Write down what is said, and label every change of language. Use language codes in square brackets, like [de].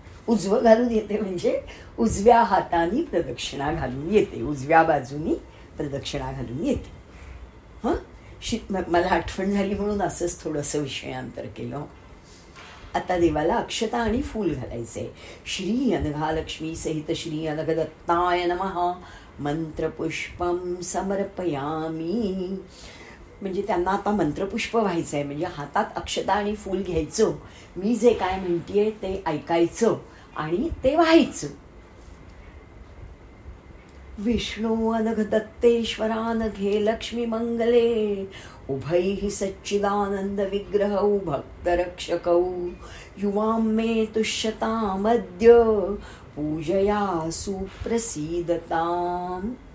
[mr] उजवं घालून येते म्हणजे उजव्या हाताने प्रदक्षिणा घालून येते, उजव्या बाजूनी प्रदक्षिणा घालून येते. हं, मला आठवण झाली म्हणून असंच थोडंसं विषयांतर केलं. आता देवाला अक्षता आणि फूल घालायचे. [sa] श्री अनघा लक्ष्मी सहित श्री अनघ दत्ताय नमहा, मंत्रपुष्पम समर्पयामी. [mr] म्हणजे त्यांना आता मंत्रपुष्प व्हायचं आहे, म्हणजे हातात अक्षता आणि फूल घ्यायचं, मी जे काय म्हणतेय ते ऐकायचं आणि ते व्हायचं. [sa] विष्णू अनघ दत्तेश्वरानघे लक्ष्मी मंगले, उभैहि सच्चिदानंद विग्रहौ भक्त रक्षकौ, युवां मे तुष्यतामद्य पूजया सुप्रसीदताम.